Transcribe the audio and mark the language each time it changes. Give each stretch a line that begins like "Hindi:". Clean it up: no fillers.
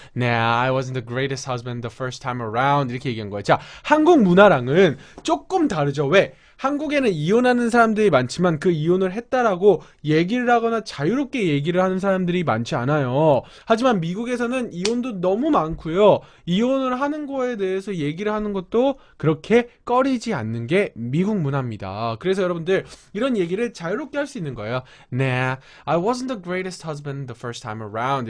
English: Nah, I wasn't the greatest husband the first time around.
Korean: 이렇게 얘기한 거예요. 자, 한국 문화랑은 조금 다르죠. 왜? 한국에는 이혼하는 사람들이 많지만 그 이혼을 했다라고 얘기를 하거나 자유롭게 얘기를 하는 사람들이 많지 않아요. 하지만 미국에서는 이혼도 너무 많고요. 이혼을 하는 거에 대해서 얘기를 하는 것도 그렇게 꺼리지 않는 게 미국 문화입니다. 그래서 여러분들 이런 얘기를 자유롭게 할 수 있는 거예요.
English: Nah, I wasn't the greatest husband the first time around.